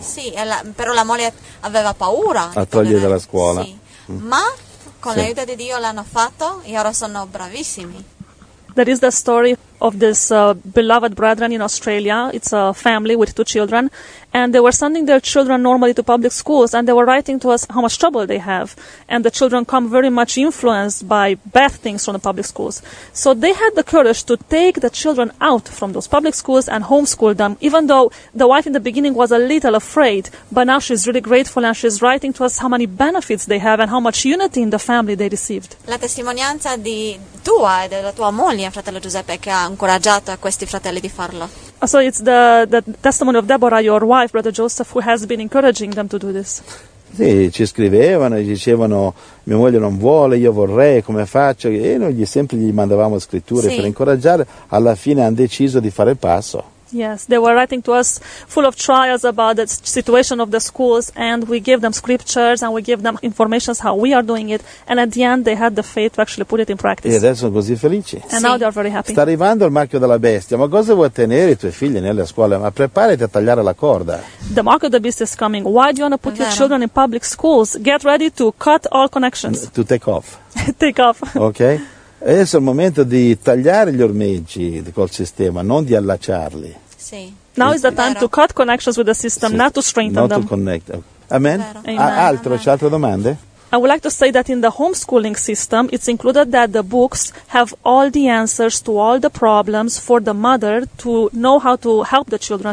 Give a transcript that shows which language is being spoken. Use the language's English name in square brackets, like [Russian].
[Italian] Sì, però la moglie aveva paura. A togliere dalla scuola. Sì. Ma con l'aiuto di Dio l'hanno fatto e ora sono bravissimi. [English] There is the story of this beloved brethren in Australia. It's a family with two children. And they were sending their children normally to public schools. And they were writing to us how much trouble they have. And the children come very much influenced by bad things from the public schools. So they had the courage to take the children out from those public schools and homeschool them. Even though the wife in the beginning was a little afraid. But now she's really grateful and she's writing to us how many benefits they have and how much unity in the family they received. [Italian] La testimonianza di tua e della tua moglie, fratello Giuseppe, che ha incoraggiato questi fratelli di farlo. [English] So it's the testimony of Deborah, your wife, brother Joseph, who has been encouraging them to do this. [Italian] Sì, ci scrivevano e dicevano: mia moglie non vuole, io vorrei, come faccio? E noi gli mandavamo scritture per incoraggiare. Alla fine hanno deciso di fare il passo. [English] Yes, they were writing to us full of trials about the situation of the schools, and we gave them scriptures and we gave them information how we are doing it, and at the end they had the faith to actually put it in practice. [Italian] E adesso sono così felici. [English] And now they are very happy. [Italian] Sta arrivando il marchio della bestia, ma cosa vuoi tenere i tuoi figli nelle scuole? Ma preparati a tagliare la corda. [English] The mark of the beast is coming. Why do you want to put your children in public schools? Get ready to cut all connections. To take off. Take off. Okay. [Italian] Adesso è il momento di tagliare gli ormeggi col sistema, non di allacciarli. Sì. [English] Now is the time to cut connections with the system, not to strengthen them. Not to connect. Amen. Altro, c'è altre domande? I would like to say that in the homeschooling system, it's included that the books have all the answers to all the problems for the mother to know how to help the children.